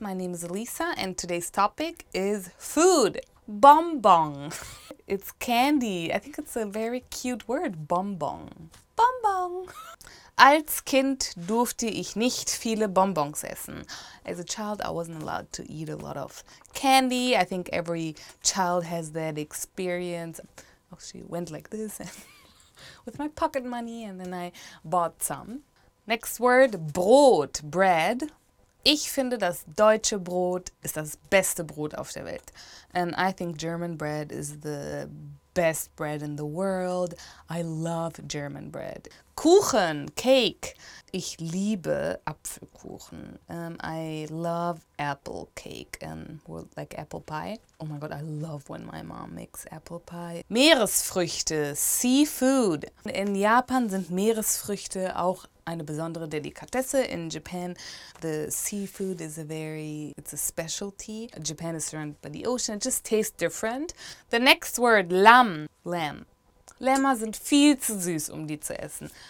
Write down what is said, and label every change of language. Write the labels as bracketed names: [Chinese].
[English] My name is Elisa and today's topic is food. Bonbon. It's candy. I think it's a very cute word, bonbon. Bonbon. [German] Als Kind durfte ich nicht viele Bonbons essen. [English] As a child, I wasn't allowed to eat a lot of candy. I think every child has that experience. Oh, she went like this with my pocket money and then I bought some. Next word, Brot, bread. [German] Ich finde, das deutsche Brot ist das beste Brot auf der Welt. [English] And I think German bread is the best bread in the world. I love German bread. Kuchen, cake. [German] Ich liebe Apfelkuchen. [English] I love apple cake, like apple pie. Oh my God, I love when my mom makes apple pie. Meeresfrüchte, seafood. [German] In Japan sind Meeresfrüchte auch eine besondere Delikatesse. [English] In Japan, the seafood is it's a specialty. Japan is surrounded by the ocean. It just tastes different. The next word, lamb. Lamb. [German] Lämmer sind viel zu süß, die zu essen.